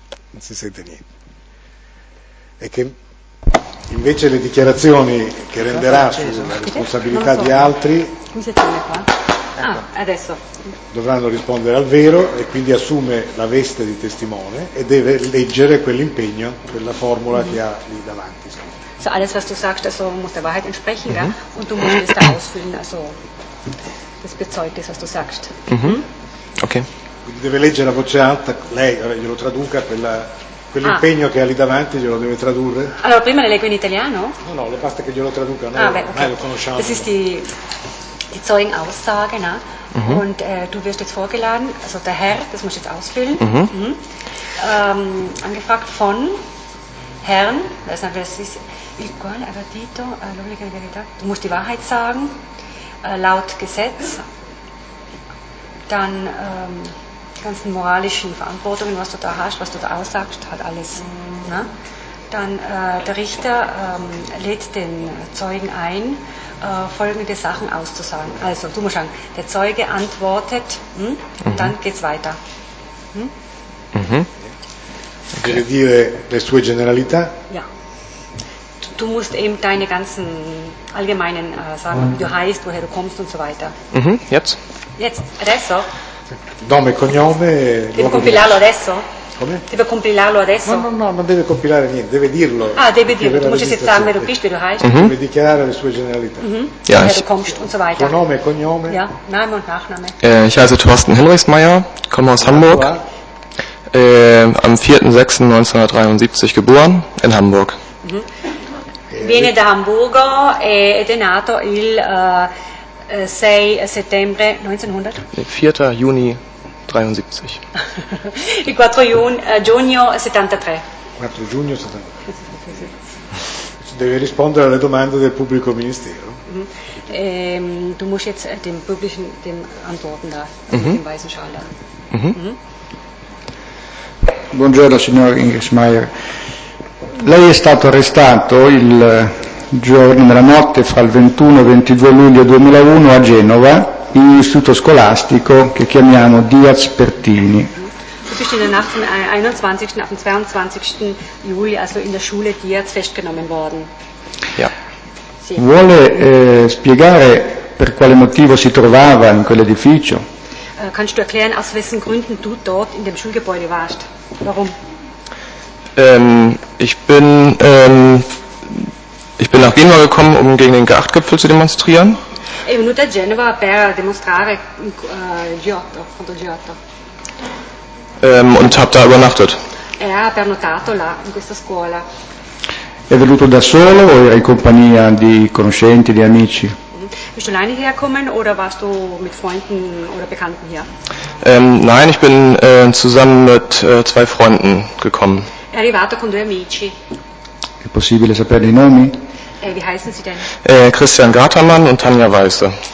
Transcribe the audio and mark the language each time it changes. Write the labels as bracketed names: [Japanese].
[Italian] Non si sente niente. E che invece le dichiarazioni che renderà sulla responsabilità di altri. Qui si accende qua. Ah, adesso. Dovranno rispondere al vero e quindi assume la veste di testimone e deve leggere quell'impegno, quella formula che ha lì davanti. [German] So, alles was du sagst, also muss der Wahrheit entsprechen, ja? Und du musst es da ausfüllen, also das bezeugt ist, was du sagst. Okay. [Italian] Quindi deve leggere a voce alta, lei glielo traduca, quell'impegno che ha lì davanti glielo deve tradurre. Allora, prima le leggo in italiano? No, le basta che glielo traduca, noi ormai lo conosciamo. [German] Das ist die Zeugenaussage, ne? Mhm. Und du wirst jetzt vorgeladen, also der Herr, das muss ich jetzt ausfüllen, angefragt von Herrn, das ist [Italian] il quale avvertito l'obbligo di verità, [German] du musst die Wahrheit sagen, laut Gesetz, dann die ganzen moralischen Verantwortungen, was du da hast, was du da aussagst, hat alles, ne? Dann der Richter lädt den Zeugen ein, folgende Sachen auszusagen. Also, du musst sagen, der Zeuge antwortet, und dann geht's weiter. Okay. Ja. Du musst eben deine ganzen allgemeinen sagen, wie du heißt, woher du kommst und so weiter. Jetzt? Jetzt, [Italian] adesso. Nome, cognome. Devo compilarlo adesso? Come? Deve compilarlo adesso? No, non deve compilare niente, deve dirlo. Ah, deve dirlo, [German] tu musst jetzt sagen, wer du bist, wie du heißt. [Italian] Deve dichiarare le sue generalità. [German] Ja, woher du kommst und so weiter. [Italian] Nome, cognome. [German] Ja, Name und Nachname. Ich heiße Thorsten Hinrichsmeier, komme aus Hamburg. Am 4.6.1973 geboren, in Hamburg. [Italian] Viene da Hamburgo ed è nato il 6 settembre 1900? [German] 4. Juni 73. [Italian] Il 4 giugno 73. 4 giugno 73. Deve rispondere alle domande del pubblico ministero. [German] Tu musst jetzt dem publischen den Antworten da, dem weißen Schal da. [Italian] Buongiorno signor Hinrichsmeier. Lei è stato arrestato il giorno della notte fra il 21 e 22 luglio 2001 a Genova in un istituto scolastico che chiamiamo Diaz Pertini. [German] Du bist in der Nacht vom 21. auf den 22. Juli, also in der Schule Diaz, festgenommen worden. Ja. [Italian] Vuole spiegare per quale motivo si trovava in quell'edificio? [German] Kannst du erklären, aus welchen Gründen du dort in dem Schulgebäude warst? Warum? Ich bin nach Genua gekommen, um gegen den G8-Gipfel zu demonstrieren. [Italian] È venuto a Genova per demonstrare G8, contro G8. [German] Und habe da übernachtet. Er hat [Italian] pernottato là in questa scuola. È venuto da solo o in compagnia di conoscenti, di amici? [German] Bist du alleine hergekommen oder warst du mit Freunden oder Bekannten hier? Nein, ich bin zusammen mit zwei Freunden gekommen. [Italian] È arrivato con due amici. È possibile sapere i nomi? [German] Wie heißen sie denn? Christian Gartermann und Tanja Weiße.